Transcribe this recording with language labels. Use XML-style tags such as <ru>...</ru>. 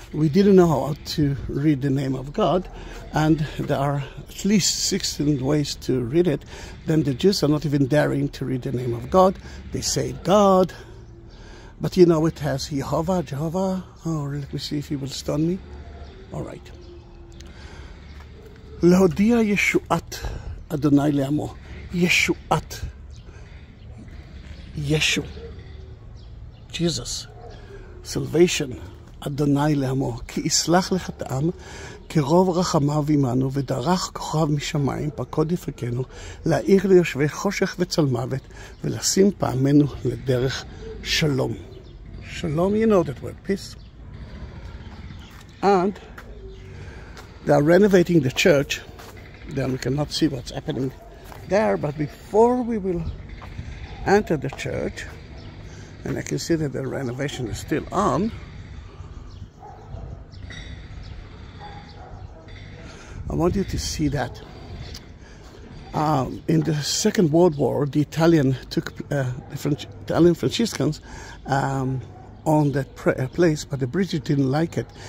<en>didn't know how to read the name of God, and there are at least 16 ways to read it. Then the Jews are not even daring to read the name of God. They say God, but you know it has Jehovah. Oh, let me see if he will stone me. All right.</en> <he>להודיע ישועת אדוני לעמו. ישועת. ישו.</he> <en>Jesus. Salvation.</en> <he>אדוני לעמו. כי יסלח לחטאם כרוב רחמיו עמנו ודרך כוכב משמיים פקוד יפקנו להאיר ליושבי חושך וצלמוות ולשים פעמנו לדרך שלום.</he> <en>שלום, you know that word, peace. And they are renovating the church. Then we cannot see what's happening there, but before we will enter the church, and I can see that the renovation is still on, I want you to see that in the Second World War, the Italian took Italian Franciscans on that place, but the British didn't like it.</en>